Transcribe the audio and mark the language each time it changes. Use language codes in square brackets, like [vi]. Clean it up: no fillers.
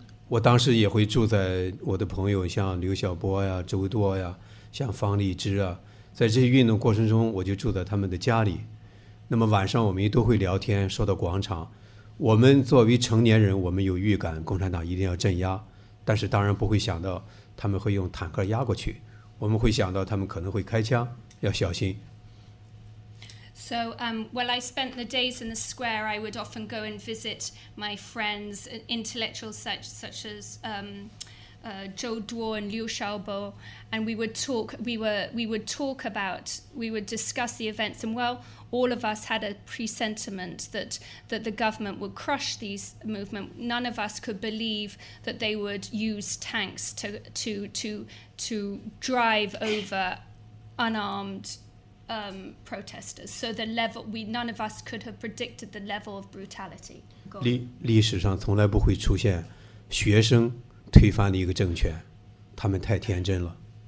[zh] 我当时也会住在我的朋友像刘晓波呀周舵呀像方励之啊在这些运动过程中我就住在他们的家里那么晚上我们都会聊天说到广场我们作为成年人我们有预感共产党一定要镇压但是当然不会想到他们会用坦克压过去我们会想到他们可能会开枪要小心。 [en] So, while I spent the days in the square, I would often go and visit my friends, intellectuals such as Zhou Duo and Liu Xiaobo, and we would discuss the events. And well, all of us had a presentiment that the government would crush these movement. None of us could believe that they would use tanks to drive over. Unarmed protesters. So the level, none of us could have predicted the level of brutality. [zh] 历史上从来不会出现学生推翻了一个政权，他们太天真了。